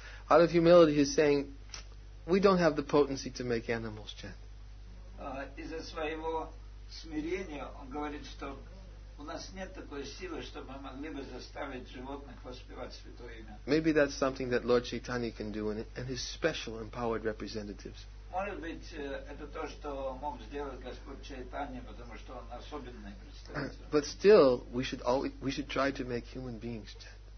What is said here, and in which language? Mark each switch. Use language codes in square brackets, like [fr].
[en] Out of humility he is saying, we don't have the potency to make animals chant. [ru] Из-за своего смирения он говорит, что у нас нет такой силы, чтобы мы могли бы заставить животных воспевать святое имя. [en] Maybe that's something that Lord Chaitanya can do and his special empowered representatives. [ru] Может быть, это то, что мог сделать Господь Чайтанья, потому что он особенный представитель. [en] But still, we should try to make human beings chant.